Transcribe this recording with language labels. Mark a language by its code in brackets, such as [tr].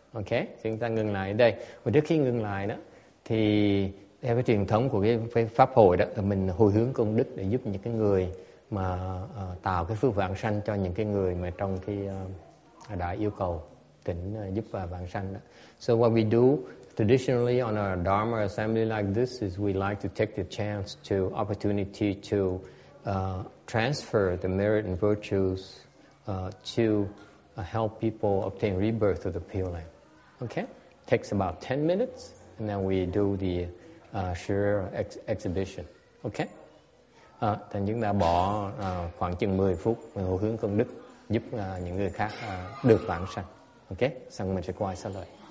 [vi] Ok, chúng ta ngừng lại đây. Và trước khi ngừng lại đó thì theo cái truyền thống của cái pháp hội đó là mình hồi hướng công đức để giúp những cái người mà tạo cái phước vạn sanh cho những cái người mà trong cái đã yêu cầu tỉnh giúp vạn sanh đó. [en] So what we do traditionally on our Dharma assembly like this is we like to take the chance to opportunity to transfer the merit and virtues to help people obtain rebirth of the Pure Land. Okay? Takes about 10 minutes and then we do the Sharira exhibition. Okay? [vi] Thành chúng ta bỏ khoảng chừng 10 phút mình hồi hướng công đức giúp những người khác được vãng sanh. Ok? Xong mình sẽ quay sang lời.